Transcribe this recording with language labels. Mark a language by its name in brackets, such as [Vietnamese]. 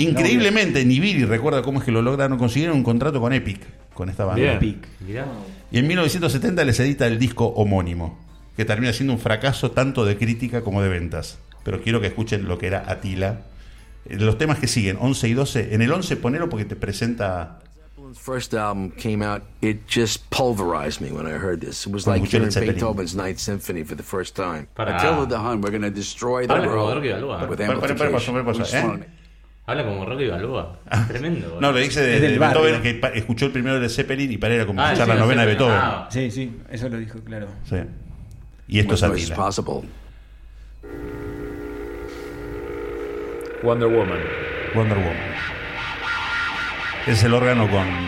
[Spanish] Increíblemente, ni Billy recuerda cómo es que lo lograron. Consiguieron un contrato con Epic, con esta banda. Epic. Y en 1970 les edita el disco homónimo. que termina siendo un fracaso tanto de crítica como de ventas. Pero quiero que escuchen lo que era Attila. Los temas que siguen, 11 y 12. En el 11 ponelo porque te presenta... [English] First album came out, it just pulverized me when I heard this. It was like hearing Beethoven's Ninth Symphony for the first time. Attila the Hun, we're going to destroy the world with amplification. [Spanish] Habla como Rocky Balboa. Tremendo. No, lo dice de Beethoven, que escuchó el primero de Zeppelin y para él era como escuchar la novena de Beethoven. Sí, sí, eso lo dijo, claro. Sí. Y esto es Attila. Wonder Woman. Wonder Woman. Es el órgano con...